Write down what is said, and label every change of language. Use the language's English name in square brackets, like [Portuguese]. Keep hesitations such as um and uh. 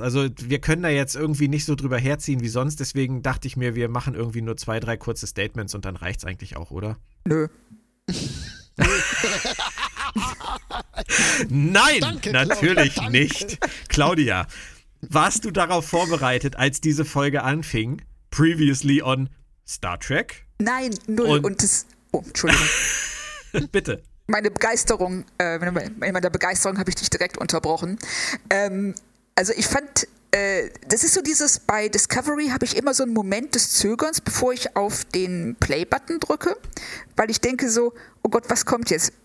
[German] Also, wir können da jetzt irgendwie nicht so drüber herziehen wie sonst. Deswegen dachte ich mir, wir machen irgendwie nur zwei, drei kurze Statements und dann reicht's eigentlich auch, oder? Nö. Nein, danke, natürlich Claudia, nicht. Claudia, warst du darauf vorbereitet, als diese Folge anfing? [English] Previously on Star Trek? [German] Nein, null. Und, und das. Oh, Entschuldigung. Bitte. Meine Begeisterung, äh, in meiner Begeisterung habe ich dich direkt unterbrochen. Ähm, also, ich fand das ist so dieses, bei Discovery habe ich immer so einen Moment des Zögerns, bevor ich auf den Play-Button drücke, weil ich denke so, oh Gott, was kommt jetzt?